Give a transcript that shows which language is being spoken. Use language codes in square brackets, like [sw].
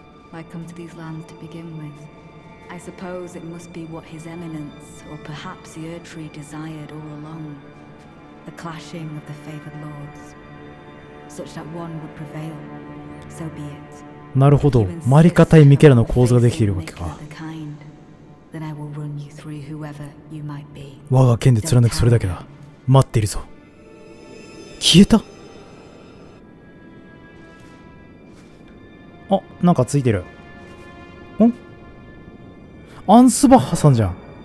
[en] I come to these lands to begin with. I suppose it must be what His Eminence, or perhaps the Erdtree, desired all along. The clashing of the favored lords. Such that one would prevail. So be it. なるほど。 [ja] マリカ対ミケラの構図ができているわけか。 [en] Then I will run you through whoever you might be. [ja] 我が剣で貫くそれだけだ。待っているぞ。消えた？あ、なんかついてる。ん？アンスバッハさんじゃん。